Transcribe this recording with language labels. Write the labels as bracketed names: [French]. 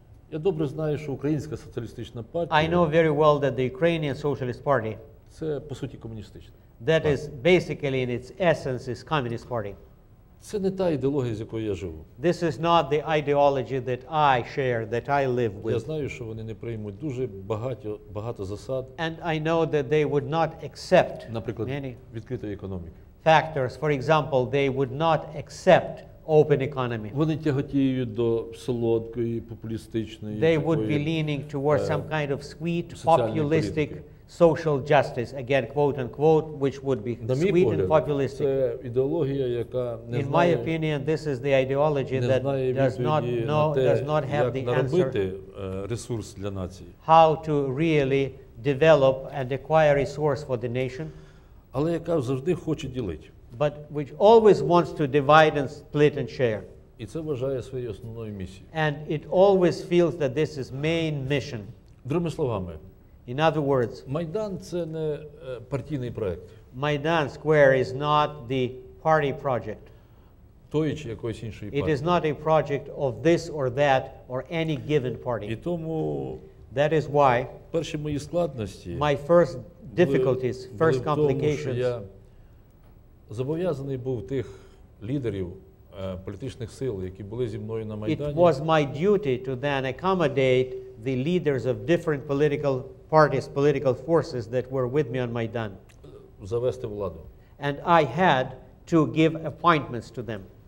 [Ukrainian] Я добре знаю, що українська соціалістична партія. [English] I know very well that the Ukrainian Socialist Party. [Ukrainian] Це по суті комуністична. [English] That is basically in its essence is communist party. [Ukrainian] Це не та ідеологія, з якою я живу. [English] This is not the ideology that I share, that I live with. [Ukrainian] Я знаю, що вони не приймуть дуже багато засад. [English] And I know that they would not accept. [Ukrainian] Наприклад, відкритої економіки. [English] Factors, for example, they would not accept open economy. [Ukrainian] Вони тяготіють до солодкої популістичної. [English] They would be leaning towards some kind of sweet populistic social justice, again, quote unquote, which would be sweet and populistic. [Ukrainian] Це ідеологія, яка не знає. [English] In my opinion, this is the ideology that does not have the answer how to really develop and acquire resource for the nation. [Ukrainian] Але яка завжди хоче ділити. [English] But which always wants to divide and split and share. [Ukrainian] І це вважає своєю основною місією. [English] And it always feels that this is main mission. [Ukrainian] Другими словами. [English] In other words. [Ukrainian] Майдан – це не партійний проект. [English] Майдан Square is not the party project. [Ukrainian] Тої чи якоїсь іншої партії. [English] It is not a project of this or that or any given party. [Ukrainian] І тому. [English] That is why. [Ukrainian] Перші мої складності. [English] My first difficulties, first complications. [Ukrainian] Я зобов'язаний був тих лідерів політичних сил, які були зі мною на Майдані. [English] It was my duty to then accommodate the leaders of different political parties, political forces that were with me on Майдан. [Ukrainian] Завести владу. [English] And I had to give appointments to them.